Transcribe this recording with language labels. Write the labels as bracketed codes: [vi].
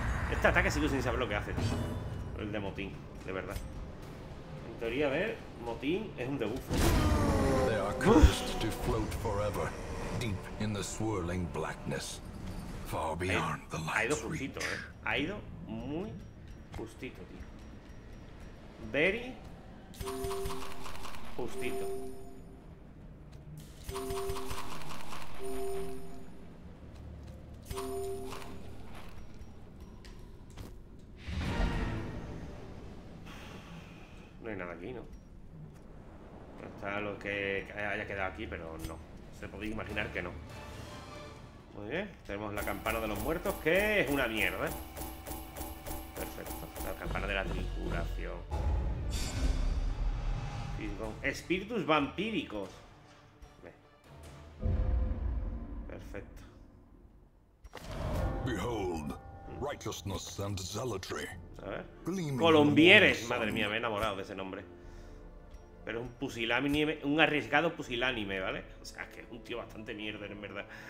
[es] Este ataque sigue sin saber lo que hace, tío. El de motín, de verdad. En teoría, a ver, motín es un debuffo. [en] They are cursed to float forever, deep in the swirling blackness, far beyond the light. [es] Ha ido justito, ¿eh? Ha ido muy justito, tío. [en] Very justito. [es] No hay nada aquí, ¿no? No está lo que haya quedado aquí, pero no. Se podía imaginar que no. Muy bien, tenemos la campana de los muertos, que es una mierda. Perfecto. La campana de la tripulación. Espíritus vampíricos. Perfecto. [en] Behold, righteousness and zealotry. [es] Colombieres, madre mía, me he enamorado de ese nombre. Pero un pusilánime, un arriesgado pusilánime, ¿vale? O sea, que es un tío bastante mierda, en verdad.